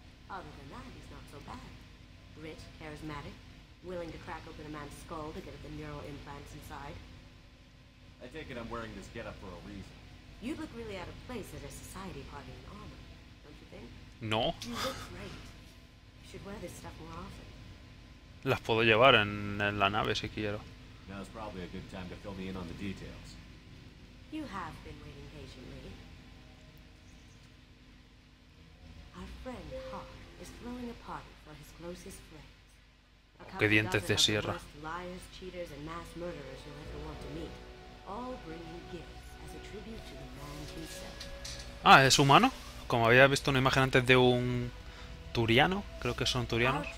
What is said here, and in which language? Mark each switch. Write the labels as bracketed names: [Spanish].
[English] Other than that, he's not so bad. Rich, charismatic, willing to crack open a man's skull to get at the neural implants inside. I take it I'm wearing this getup for a reason. You look really out of place at a society party in armor, don't you think? No. You look great. You should wear this stuff more often. [Spanish] Las puedo llevar en la nave si quiero. [English] Now is probably a good time to fill me in on the details. You have been waiting patiently. Our friend Hawk is throwing a party for his closest friends. [Spanish] Qué dientes de sierra. [English] Liars, cheaters, and mass murderers you'll ever want to meet. All bringing gifts as a tribute to the man himself. [Spanish] Ah, ¿es humano? Como había visto una imagen antes de un turiano, creo que son turianos.